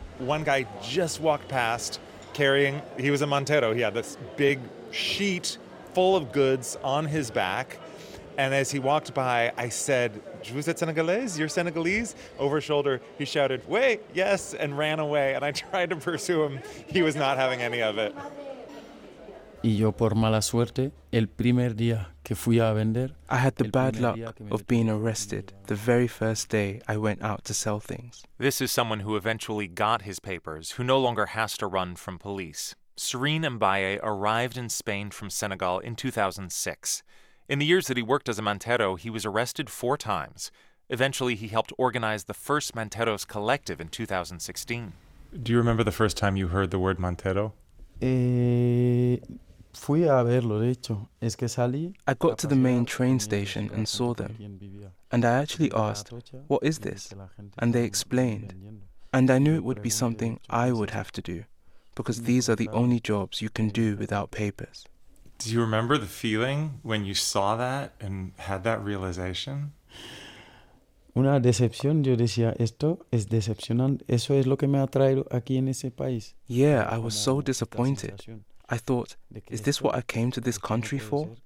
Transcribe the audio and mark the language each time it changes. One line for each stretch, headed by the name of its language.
English: One guy just walked past carrying, he was a Montero, he had this big sheet full of goods on his back. And as he walked by, I said,
French: "Vous êtes
English: Senegalese? You're Senegalese?" Over shoulder, he shouted, "Wait, yes," and ran away. And I tried to pursue him. He was not having any of it.
Spanish: Y yo por mala suerte, el primer día que fui a vender,
English: I had the bad luck of being arrested the very first day I went out to sell things. This is someone who eventually got his papers, who no longer has to run from police. Serene Mbaye arrived in Spain from Senegal in 2006. In the years that he worked as a Mantero, he was arrested 4 times. Eventually, he helped organize the first Manteros collective in 2016. Do you remember the first time you heard the word Mantero?
Spanish: Fui a verlo, de hecho. Es que salí.
English: I got to the main train station and saw them. And I actually asked, "What is this?" And they explained. And I knew it would be something I would have to do, because these are the only jobs you can do without papers. Do you remember the feeling when you saw that and had that realization?
Spanish: Una decepción, yo decía, esto es decepcionante. Eso es lo que me ha traído aquí en ese país.
English: Yeah, I was so disappointed. I thought, is this what I came to this country for?